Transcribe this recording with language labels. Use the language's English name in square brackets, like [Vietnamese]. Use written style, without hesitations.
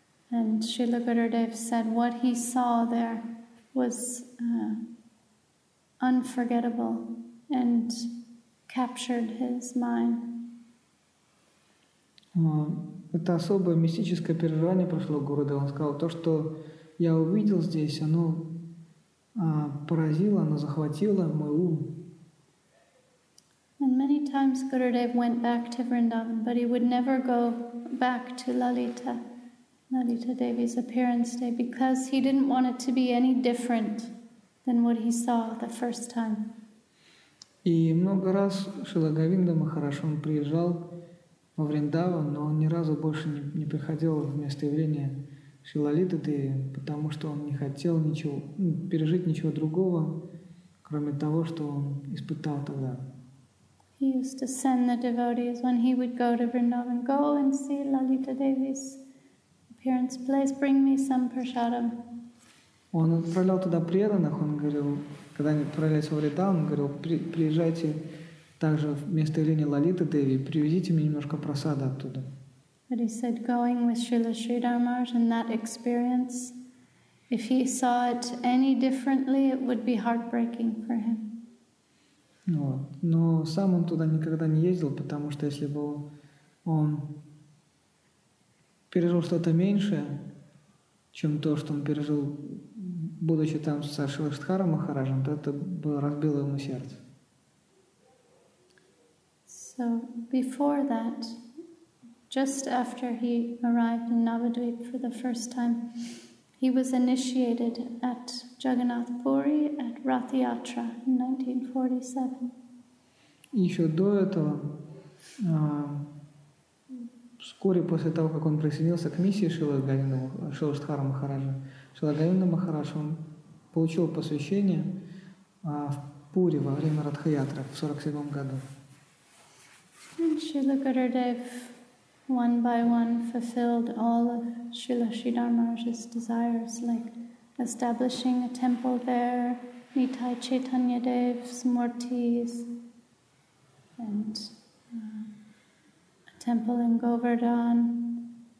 [English] And Шрила Гурудев said what he saw there was unforgettable and captured his mind. [Russian] Это особое мистическое переживание прошло Гурудев. Он сказал, то, что я увидел здесь, оно поразило, оно захватило мой ум. [English] And many times Gurudev went back to Vrindavan, but he would never go back to Lalita Devi's appearance day, because he didn't want it to be any different than what he saw the first time. [Russian] И много раз Шрила Говинда Махарадж приезжал во Вриндаван, но он ни разу больше не приходил в место явления Шрилы Лалиты Деви, потому что он не хотел ничего, пережить ничего другого, кроме того, что он испытал тогда. [English] He used to send the devotees when he would go to Vrindavan, go and see Lalita Devi's appearance place, bring me some prasadam. [Russian] Он отправлял туда преданных, он говорил, когда они отправлялись во Вриндаван, он говорил, приезжайте также в место явления Лалиты Деви, привезите мне немножко прасада оттуда. [English] But he said, going with Srila Sridhar Maharaj and that experience, if he saw it any differently, it would be heartbreaking for him. [Russian] Но сам он туда никогда не ездил, потому что если бы он пережил что-то меньшее, чем то, что он пережил, будучи там с Шрилой Шридхаром Махараджем, то это было, разбило ему сердце. [English] So before that, just after he arrived in Navadvip for the first time, he was initiated at Jagannath Puri at Rath Yatra in 1947. [Russian] Еще до этого, вскоре после того, как он присоединился к миссии Шрилы Шридхара Махараджа, Шрила Говинда Махарадж, он получил посвящение в Пури во время Радхаятры в 47 году. [English] And Srila Gurudev one by one fulfilled all of Srila Sridhar Maharaj's desires, like establishing a temple there, Nitai Chaitanya Dev's murtis, and a temple in Govardhan,